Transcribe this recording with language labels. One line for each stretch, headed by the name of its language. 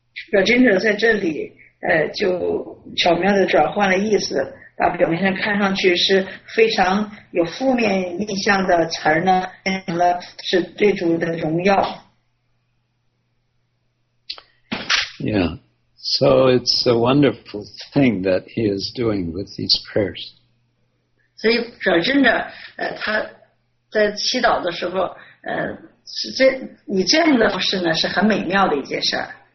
Chinese: 表经者在这里就巧妙地转换了意思，把表面上看上去是非常有负面印象的词儿呢，变成了是对主的荣耀。
English: Yeah, so it's a wonderful thing that he is doing with these prayers.
Chinese: 所以表经者他在祈祷的时候，是这以这样的方式呢，是很美妙的一件事儿。